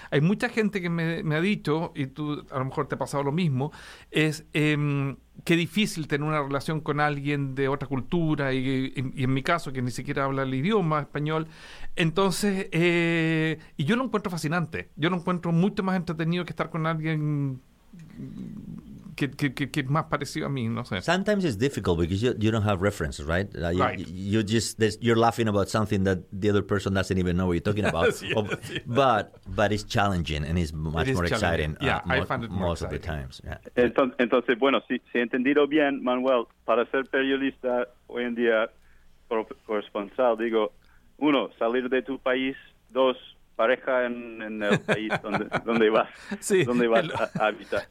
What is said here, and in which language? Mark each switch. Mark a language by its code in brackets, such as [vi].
[es] Hay mucha gente que me ha dicho, y tú a lo mejor te ha pasado lo mismo, es qué difícil tener una relación con alguien de otra cultura, y en mi caso, que ni siquiera habla el idioma español. Entonces, y yo lo encuentro fascinante. Yo lo encuentro mucho más entretenido que estar con alguien... que más parecido a mí, no sé. [en] Sometimes it's difficult because you don't have references, right? You're laughing about something that the other person doesn't even know what you're talking about. but it's challenging and it's much it more exciting. Yeah, I find it most exciting. Of the times. Yeah. [es] Entonces, bueno, si he entendido bien, Manuel, para ser periodista hoy en día corresponsal, digo, uno, salir de tu país, dos, pareja en el país donde vas, sí, donde vas a habitar.